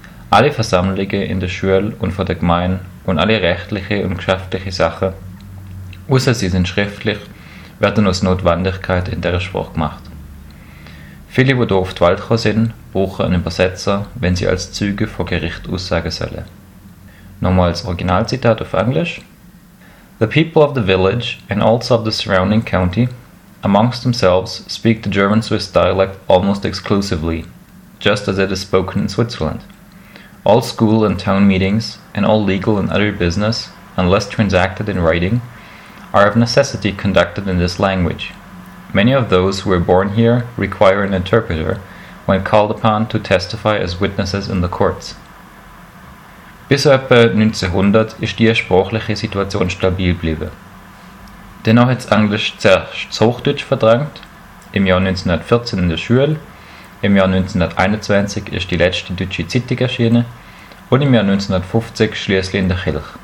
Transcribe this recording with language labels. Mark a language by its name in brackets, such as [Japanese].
[German] Alle Versammlungen in der Schule und vor der Gemeinde und alle rechtlichen und geschäftlichen Sachen, außer sie sind schriftlich, werden aus Notwendigkeit in dieser Sprache gemacht. Viele, die hier auf die Welt gekommen sind, brauchen einen Übersetzer, wenn sie als Zeuge vor Gericht aussagen sollen. Nochmals Originalzitat auf Englisch. [English] The people of the village and also of the surrounding county, amongst themselves, speak the German-Swiss dialect almost exclusively, just as it is spoken in Switzerland. All school and town meetings, and all legal and other business, unless transacted in writing, are of necessity conducted in this language. Many of those who were born here require an interpreter when called upon to testify as witnesses in the courts. [German] Bis etwa 1900 ist die sprachliche Situation stabil geblieben. Dennoch hat das Englisch zuerst Hochdeutsch verdrängt, im Jahr 1914 in der Schule, im Jahr 1921 ist die letzte deutsche Zeitung erschienen und im Jahr 1950 schließlich in der Kirche.